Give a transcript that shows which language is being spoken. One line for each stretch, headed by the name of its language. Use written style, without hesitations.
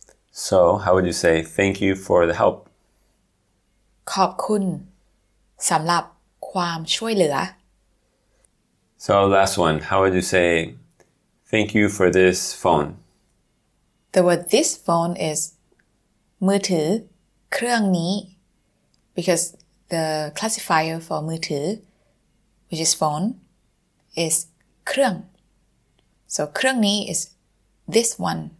English: So, how would you say thank you for the help?
Thai: ขอบคุณสำหรับความช่วยเหลือ
English: So, last one. How would you say thank you for this phone? The word this phone is
Thai: มือถือเครื่องนี้
English: because the classifier for มือถือ which is phone is เครื่อง So,
Thai: เครื่องนี้
English: is this one.